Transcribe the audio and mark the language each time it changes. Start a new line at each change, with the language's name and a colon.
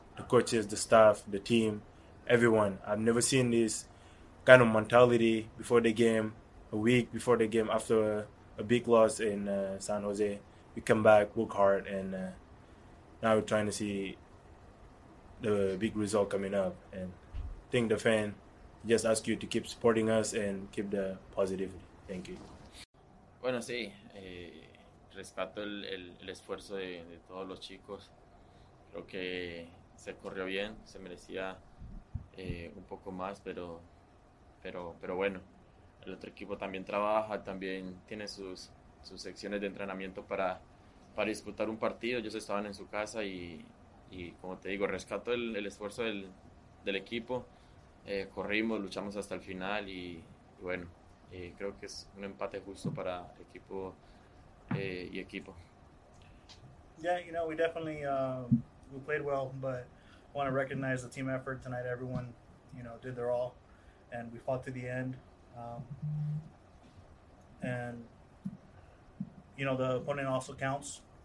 English: The coaches, the staff, the team, everyone. I've never seen this kind of mentality before the game, a week before the game, after a big loss in San Jose. We come back, work hard, and now we're trying to see the big result coming up, and I think the fan just ask you to keep supporting us and keep the positivity. Thank you.
Spanish: Bueno, sí, rescato el esfuerzo de todos los chicos. Creo que se corrió bien, se merecía un poco más, pero bueno, el otro equipo también trabaja, también tiene sus secciones de entrenamiento para disputar un partido. Ellos estaban en su casa y como te digo, rescato el esfuerzo del equipo. Corrimos, luchamos hasta el final y bueno, creo que es un empate justo para equipo y equipo.
English: Yeah, you know, we definitely we played well, but I want to recognize the team effort tonight. Everyone, you know, did their all and we fought to the end. And you know, the opponent also counts.